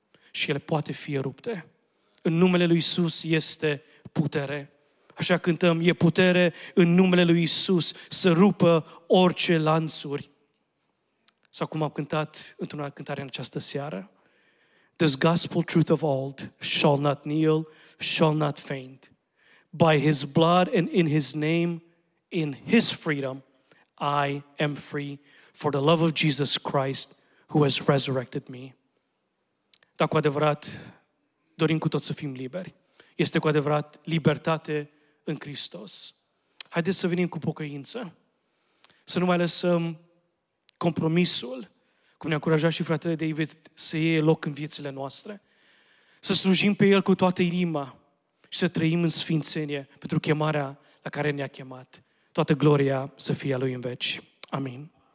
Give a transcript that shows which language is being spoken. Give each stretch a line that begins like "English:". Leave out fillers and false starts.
Romanian: Și ele poate fi rupte. În numele lui Iisus este putere. Așa cântăm, e putere în numele lui Iisus să rupă orice lanțuri. Sau cum am cântat într-una cântare în această seară.
English: This gospel truth of old shall not kneel, shall not faint. By His blood and in His name, in His freedom, I am free for the love of Jesus Christ who has resurrected me.
Romanian: Dar cu adevărat, dorim cu tot să fim liberi. Este cu adevărat libertate în Hristos. Haideți să venim cu pocăință, să nu mai lăsăm compromisul, cum ne-a încurajat și fratele David, să iei loc în viețile noastre, să slujim pe El cu toată inima și să trăim în sfințenie pentru chemarea la care ne-a chemat. Toată gloria să fie a Lui în veci. Amin.